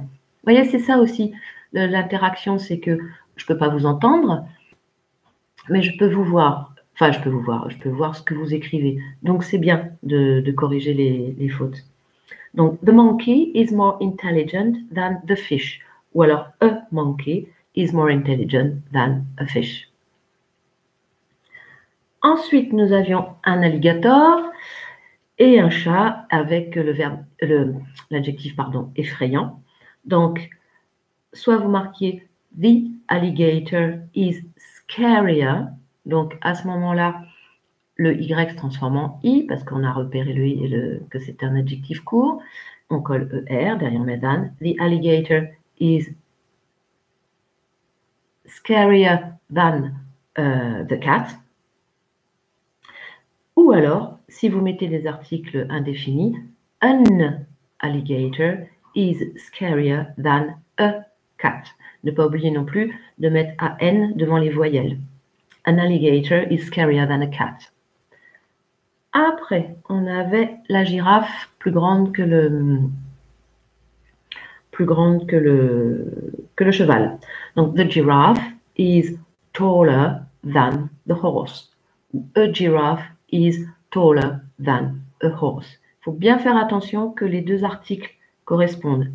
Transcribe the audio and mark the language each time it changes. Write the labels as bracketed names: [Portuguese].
[French] Vous voyez, c'est ça aussi, l'interaction, c'est que je ne peux pas vous entendre, mais je peux vous voir. Enfin, je peux vous voir, je peux voir ce que vous écrivez. Donc, c'est bien de corriger les fautes. [English] Donc, the monkey is more intelligent than the fish. [French] Ou alors, [English] a monkey is more intelligent than a fish. [French] Ensuite, nous avions un alligator et un chat avec l'adjectif effrayant. Donc, soit vous marquez [English] the alligator is scarier. [French] Donc, à ce moment-là, le Y se transforme en I parce qu'on a repéré que c'était un adjectif court. On colle ER derrière Medan. [English] The alligator is scarier than the cat. [French] Ou alors, si vous mettez des articles indéfinis, [English] an alligator is scarier than a cat. [French] Ne pas oublier non plus de mettre AN devant les voyelles. [English] An alligator is scarier than a cat. [French] Après, on avait la girafe plus grande que le cheval. [English] Donc, the giraffe is taller than the horse. A giraffe is taller than a horse. [French] Il faut bien faire attention que les deux articles correspondent.